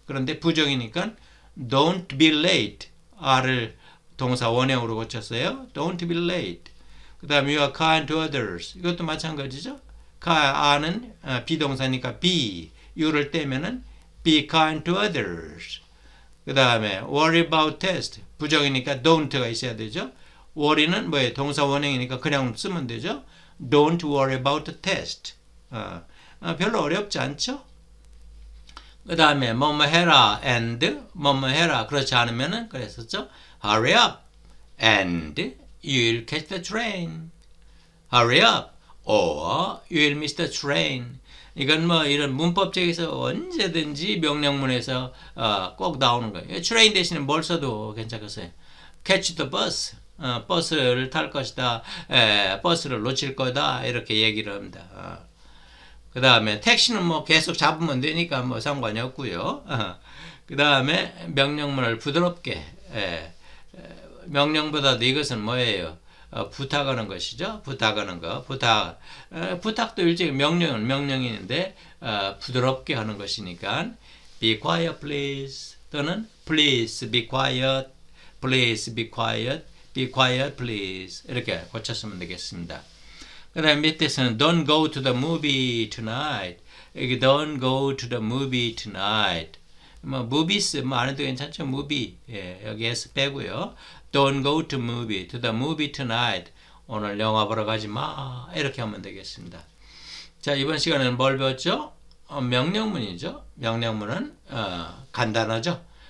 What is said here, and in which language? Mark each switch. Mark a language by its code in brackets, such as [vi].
[ko] 그런데 부정이니까 [en] don't be late. [ko] are을 동사 원형으로 고쳤어요. [en] Don't be late. [ko] 그 다음에 [en] you are kind to others. [ko] 이것도 마찬가지죠. are는 비동사니까 be. you를 떼면은 [en] be kind to others. [ko] 그 다음에 [en] worry about test. [ko] 부정이니까 don't가 있어야 되죠. worry는 뭐예요? 동사 원형이니까 그냥 쓰면 되죠. [en] don't worry about the test. [ko] 별로 어렵지 않죠? 그 다음에 뭐뭐 해라 and 뭐뭐 해라 그렇지 않으면은 그랬었죠. [en] hurry up and you'll catch the train. hurry up or you'll miss the train. [ko] 이건 뭐 이런 문법책에서 언제든지 명령문에서 꼭 나오는 거예요. train 대신에 뭘 써도 괜찮겠어요. [en] catch the bus. [ko] 버스를 탈 것이다. 버스를 놓칠 거다. 이렇게 얘기를 합니다. 그 다음에 택시는 뭐 계속 잡으면 되니까 뭐 상관이 없고요. 그 다음에 명령문을 부드럽게 명령보다도 이것은 뭐예요? 부탁하는 것이죠. 부탁하는 거. 부탁. 부탁도 일종의 명령은 명령인데 부드럽게 하는 것이니까 [en] be quiet please [ko] 또는 [en] please be quiet. please be quiet. be quiet please. [ko] 이렇게 고쳤으면 되겠습니다. 그 다음 밑에서는 [en] Don't go to the movie tonight. Don't go to the movie tonight. [ko] 뭐 movies 뭐 안 해도 괜찮죠. [en] movie. [ko] 예, 여기 S 빼고요. [en] Don't go to movie. to the movie tonight. [ko] 오늘 영화 보러 가지 마. 이렇게 하면 되겠습니다. 자, 이번 시간에는 뭘 배웠죠? 명령문이죠. 명령문은 간단하죠.